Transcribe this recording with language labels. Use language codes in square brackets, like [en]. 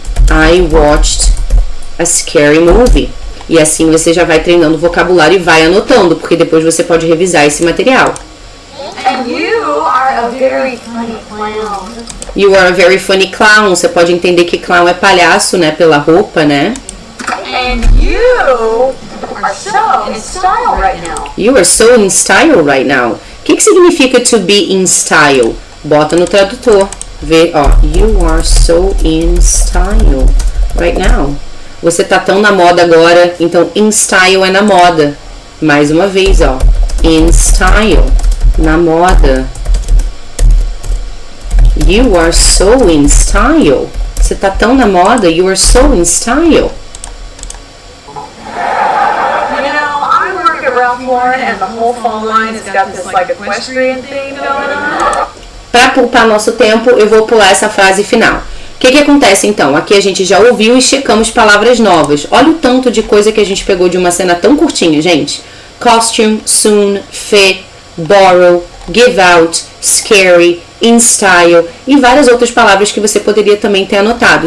[en] I watched a scary movie. [pt] E assim você já vai treinando o vocabulário e vai anotando, porque depois você pode revisar esse material. [en] You are a very funny clown. [pt] Você pode entender que clown é palhaço, né? Pela roupa, né? [en] And you are so in style right now. You are so in style right now. [pt] O que significa [en] to be in style? [pt] Bota no tradutor. Vê, ó. [en] You are so in style right now. [pt] Você tá tão na moda agora. Então, in style é na moda. Mais uma vez, ó. In style. Na moda. [en] You are so in style. [pt] Você tá tão na moda. [en] You are so in style. You know, I work at Ralph Lauren and the whole fall line has got this equestrian thing going on. [pt] Pra poupar nosso tempo, eu vou pular essa frase final. O que que acontece, então? Aqui a gente já ouviu e checamos palavras novas. Olha o tanto de coisa que a gente pegou de uma cena tão curtinha, gente. Costume, soon, fit, borrow, give out, scary, in style e várias outras palavras que você poderia também ter anotado.